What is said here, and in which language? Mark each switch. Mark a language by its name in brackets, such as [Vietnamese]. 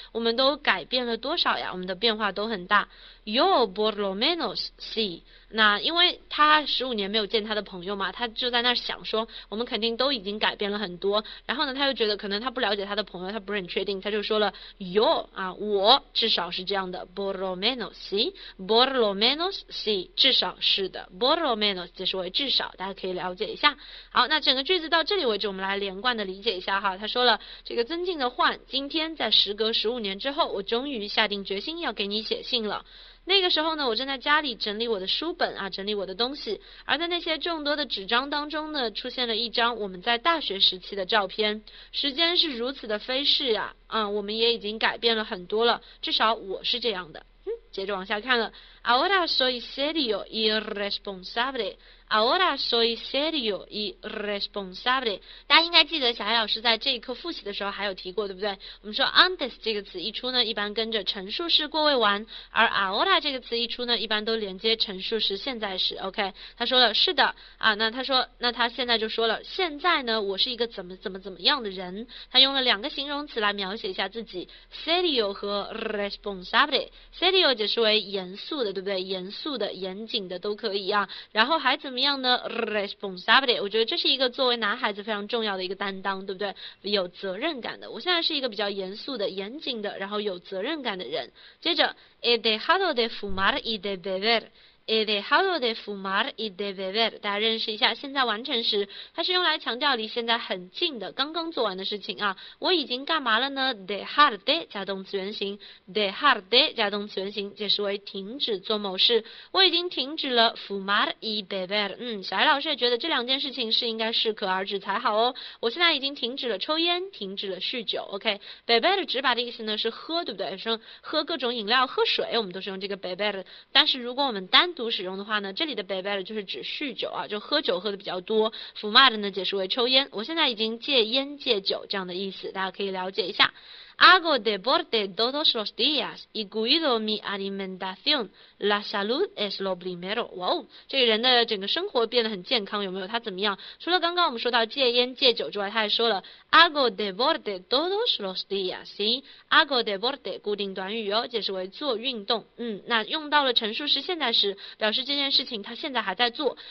[Chinese] 我们都改变了多少呀？我们的变化都很大。 [Spanish] Yo por lo menos sí。 [Chinese] 那因为他15年没有见他的朋友嘛，他就在那想说，我们肯定都已经改变了很多。然后呢，他又觉得可能他不了解他的朋友，他不是很确定，他就说了 yo 啊，我至少是这样的。 [Spanish] por lo menos sí，por lo menos sí， [Chinese] 至少是的。 por lo menos 解释为至少，大家可以了解一下。好，那整个句子到这里为止，我们来连贯的理解一下哈。他说了，这个尊敬的焕，今天在时隔15年之后，我终于下定决心要给你写信了。那个时候呢，我正在家里整理我的书本啊，整理我的东西，而在那些众多的纸张当中呢，出现了一张我们在大学时期的照片。时间是如此的飞逝呀，我们也已经改变了很多了，至少我是这样的。接着往下看了。 [Spanish] Ahora soy serio y responsable. Ahora soy serio y responsable。 [Chinese] 大家应该记得小艾老师在这一课复习的时候还有提过，对不对？我们说 antes 这个词一出呢，一般跟着陈述式过未完，而 ahora 这个词一出呢，一般都连接陈述式现在时。 OK，他说了是的啊，那他说，那他现在就说了，现在呢，我是一个怎么样的人。他用了两个形容词来描写一下自己，serio 和 responsable。 serio 解释为严肃的，对不对？严肃的、严谨的都可以啊。然后还怎么？怎么样呢？responsibility，我觉得这是一个作为男孩子非常重要的一个担当，对不对？有责任感的。我现在是一个比较严肃的、严谨的，然后有责任感的人。接着， [Spanish] he dejado de fumar y de beber，he dejado de fumar y de beber。 [Chinese] 大家认识一下，现在完成时，它是用来强调离现在很近的、刚刚做完的事情啊。我已经干嘛了呢？dejar de 加动词原形，dejar de 加动词原形解释为停止做某事。我已经停止了 [Spanish] fumar y beber。 [Chinese] 小艾老师也觉得这两件事情是应该适可而止才好哦。我现在已经停止了抽烟，停止了酗酒。OK，beber 直白的意思呢是喝，对不对？说喝各种饮料、喝水，我们都是用这个 beber。但是如果我们单独使用的话呢，这里的 beber 就是指酗酒啊，就喝酒喝的比较多。 fumar 呢解释为抽烟。我现在已经戒烟戒酒这样的意思，大家可以了解一下。 [Spanish] Hago deporte todos los días y cuido mi alimentación. La salud es lo primero. [Chinese] 哇哦，这个人的整个生活变得很健康，有没有？他怎么样？除了刚刚我们说到戒烟戒酒之外，他还说了 [Spanish] Hago deporte todos los días. [Chinese] Hago deporte 固定短语哦，解释为做运动。那用到了陈述式现在时，表示这件事情他现在还在做。